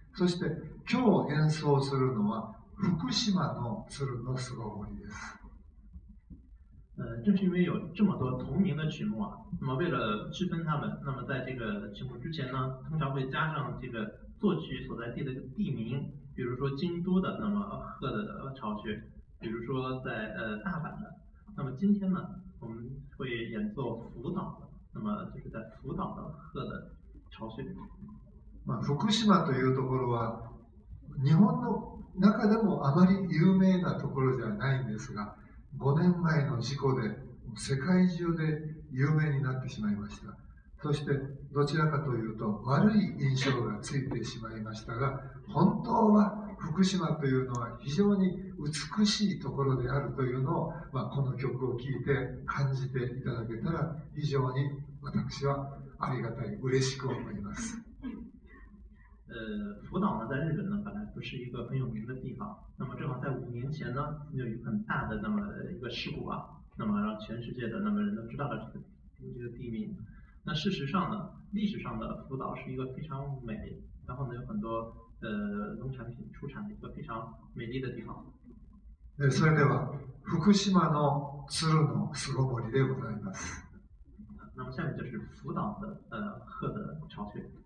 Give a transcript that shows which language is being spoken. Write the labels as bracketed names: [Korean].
[Japanese] そして、今日演奏するのは福島の鶴の巣ごもりです。 [Chinese] 正是因为有这么多同名的曲目啊，那么为了区分他们，那么在这个曲目之前呢，通常会加上这个作曲所在地的地名，比如说京都的，那么鹤的巢穴，比如说在大阪的，那么今天呢，我们会演奏福岛的，那么就是在福岛的鹤的巢穴。 [Japanese] まあ、福島というところは日本の中でもあまり有名なところじゃないんですが。 5年前の事故で世界中で有名になってしまいました。そしてどちらかというと悪い印象がついてしまいましたが、本当は福島というのは非常に美しいところであるというのを、まあ、この曲を聴いて感じていただけたら非常に私はありがたい、嬉しく思います。 [Chinese] 福岛呢，在日本呢，本来不是一个很有名的地方。那么正好在5年前呢，就有很大的那么一个事故啊，那么让全世界的那么人都知道了这个地名。那事实上呢，历史上的福岛是一个非常美，然后呢有很多农产品出产的一个非常美丽的地方。 [Japanese] それでは福島の鶴の巣ごもりでございます。 [Chinese] 那么下面就是福岛的鹤的巢穴。